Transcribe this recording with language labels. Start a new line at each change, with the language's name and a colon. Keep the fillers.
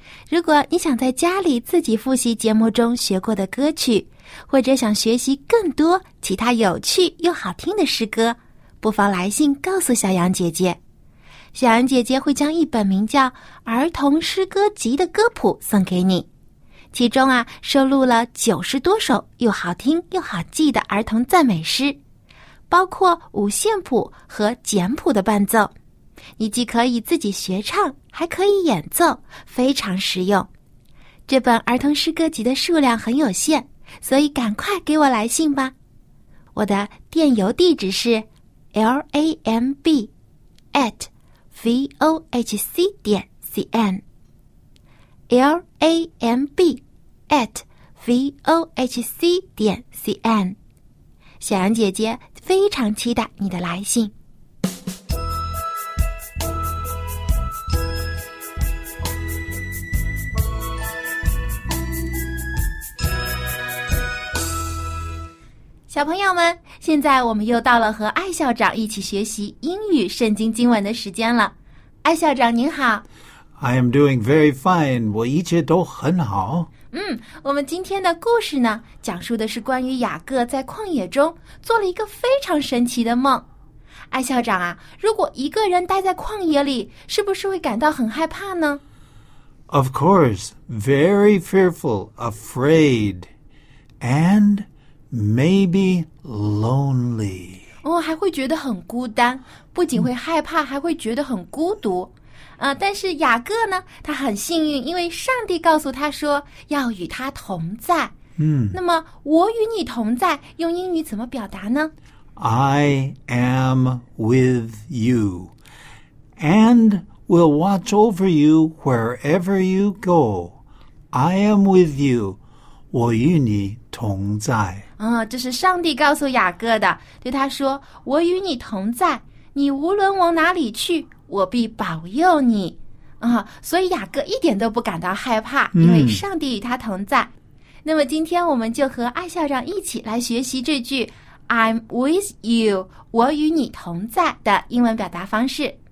Chinese: 如果你想在家里自己复习节目中学过的歌曲，或者想学习更多其他有趣又好听的诗歌，不妨来信告诉小羊姐姐，小羊姐姐会将一本名叫《儿童诗歌集》的歌谱送给你，其中啊收录了九十多首又好听又好记的儿童赞美诗。包括五线谱和简谱的伴奏，你既可以自己学唱，还可以演奏，非常实用。这本儿童诗歌集的数量很有限，所以赶快给我来信吧。我的电邮地址是 l a m b at v o h c 点 c n l a m b at v o h c 点 c n 小杨姐姐。非常期待你的来信。小朋友们，现在我们又到了和艾校长一起学习英语圣经经文的时间了。艾校长您好
English: ，I am doing very fine，
Chinese: 我一切都很好。嗯，我们今天的故事呢，讲述的是关于雅各在旷野中做了一个非常神奇的梦。艾校长啊，如果一个人待在旷野里，是不是会感到很害怕呢
English: ？Of course, very fearful, afraid, and maybe lonely.
Chinese: 我、哦、还会觉得很孤单，不仅会害怕，还会觉得很孤独。啊、uh,！但是雅各呢，他很幸运，因为上帝告诉他说要与他同在。嗯、mm.，那么我与你同在，用英语怎么表达呢
English: ？I am with you, and will watch over you wherever you go. I am with you.
Chinese: 我与你同在。啊、uh,，这是上帝告诉雅各的，对他说：“我与你同在，你无论往哪里去。 ”我必保佑你，啊！所以雅各一点都不感到害怕，因为上帝与他同在。嗯、那么今天我们就和艾校长一起来学习这句
English: “I'm with you”，
Chinese: 我与你同在的英文表达方式。